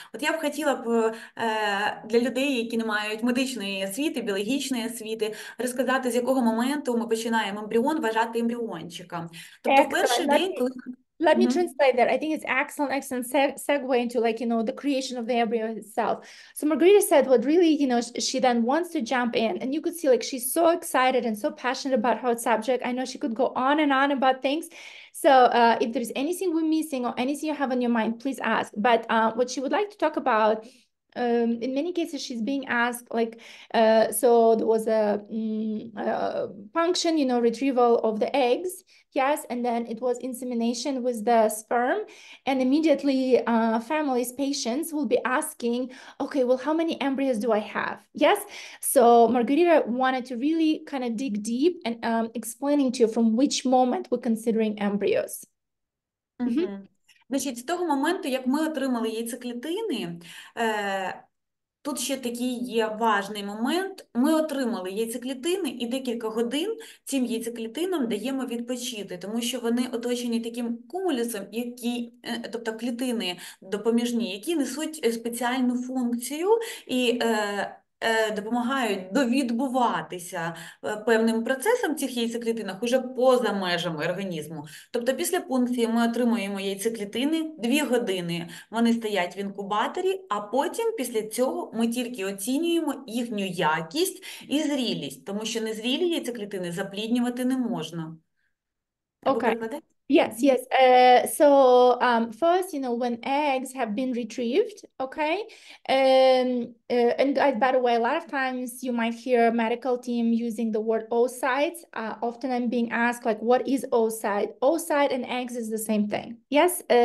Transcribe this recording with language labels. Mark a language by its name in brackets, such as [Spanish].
[Ukrainian] От я б хотіла б для людей, які не мають медичної освіти, біологічної освіти, розказати, з якого моменту ми починаємо ембріон вважати ембріончиком. Тобто в перший день, коли... [English] Let me translate that. I think it's excellent segue into, like, you know, the creation of the embryo itself. So Margarita said what really, you know, she then wants to jump in, and you could see, like, she's so excited and so passionate about her subject. I know she could go on and on about things. So if there's anything we're missing or anything you have on your mind, please ask. But what she would like to talk about, in many cases, she's being asked, like, so there was a function, you know, retrieval of the eggs. Yes, and then it was insemination with the sperm, and immediately families, patients will be asking, okay, well, how many embryos do I have? Yes, so Margarita wanted to really kind of dig deep and explaining to you from which moment we're considering embryos. Mm-hmm. [Ukrainian] Значить, з того моменту, як ми отримали яйцеклітини, тут ще такий є важний момент. Ми отримали яйцеклітини і декілька годин цим яйцеклітинам даємо відпочити, тому що вони оточені таким кумулюсом, тобто клітини допоміжні, які несуть спеціальну функцію і допомагають довідбуватися певним процесам в цих яйцеклітинах уже поза межами організму. Тобто після пункції ми отримуємо яйцеклітини, 2 години вони стоять в інкубаторі, а потім після цього ми тільки оцінюємо їхню якість і зрілість, тому що незрілі яйцеклітини запліднювати не можна. [English] Okay. [Ukrainian] Перекладати? [English] Yes, yes. So first, you know, when eggs have been retrieved, okay, and by the way, a lot of times you might hear a medical team using the word oocytes. Often I'm being asked, like, what is oocyte? Oocyte and eggs is the same thing. Yes.